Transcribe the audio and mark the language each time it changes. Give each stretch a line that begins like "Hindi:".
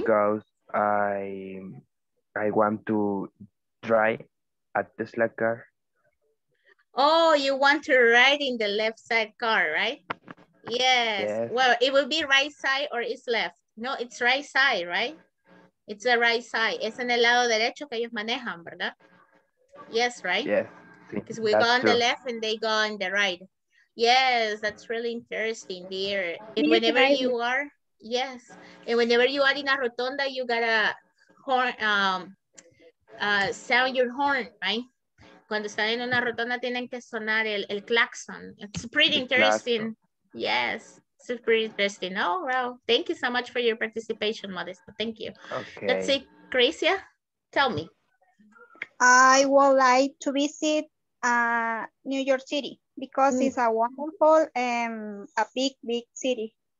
English: Because I want to drive a Tesla car. Oh, you want to ride in the left side car, right? Yes. Well, it will be right side or it's left. No, it's right side, right? It's the right side.
Spanish: Es en el lado derecho que ellos manejan, ¿verdad?
English: Yes, right? Yes. Because we go on the left and they go on the right. Yes, that's really interesting, dear. And whenever you are, yes. And whenever you are in a rotonda, you gotta horn, sound your horn, right?
Spanish: Cuando están en una rotonda, tienen que sonar el claxon.
English: It's pretty interesting. Yes, it's pretty interesting. Oh, well, thank you so much for your participation, Modesto. Thank you. Okay. Let's see, Gracia, tell me. I would like to visit New York City because it's a wonderful and a big, big city.